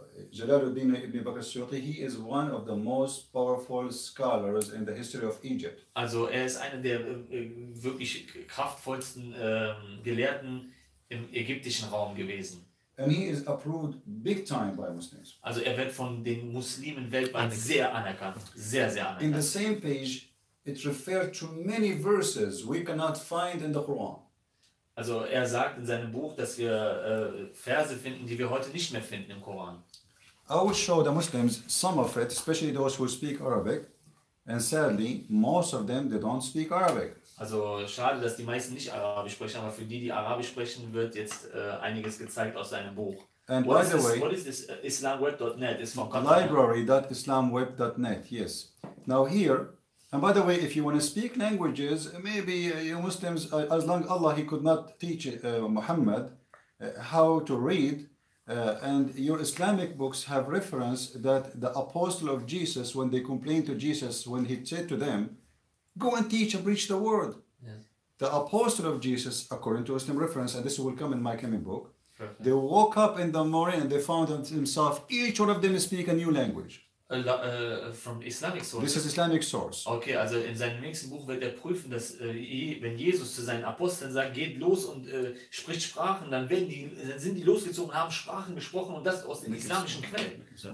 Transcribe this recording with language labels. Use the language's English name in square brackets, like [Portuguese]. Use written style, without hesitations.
[English] Jalaluddin ibn Bakr al-Suyuti, he is one of the most powerful scholars in the history of Egypt. [German] Also er ist einer der wirklich kraftvollsten Gelehrten im ägyptischen Raum gewesen. [English] And he is approved big time by Muslims. [German] Also er wird von den Muslimen weltweit sehr anerkannt, sehr, sehr anerkannt. [English] In the same page, it referred to many verses we cannot find in the Quran. [German] Also er sagt in seinem Buch, dass wir Verse finden, die wir heute nicht mehr finden im Koran. [English] I will show the Muslims some of it, especially those who speak Arabic. And sadly, most of them, they don't speak Arabic. [German] Also schade, dass die meisten nicht Arabisch sprechen, aber für die Arabisch sprechen, wird jetzt einiges gezeigt aus seinem Buch. [English] And by the way, what is this islamweb.net? It's from Qatar. Library.islamweb.net, yes. Now here, and by the way, if you want to speak languages, maybe you Muslims, as long as Allah, he could not teach Muhammad how to read, and your Islamic books have reference that the apostle of Jesus, when they complained to Jesus, when he said to them, go and teach and preach the word. Yes. The apostle of Jesus, according to Muslim reference, and this will come in my coming book, Perfect. They woke up in the morning and they found themselves, each one of them speak a new language. From Islamic source. This is Islamic source. [German] Okay, also in seinem nächsten Buch wird er prüfen, dass wenn Jesus zu seinen Aposteln sagt, geht los und spricht Sprachen, dann sind die losgezogen, haben Sprachen gesprochen und das aus den islamischen Quellen.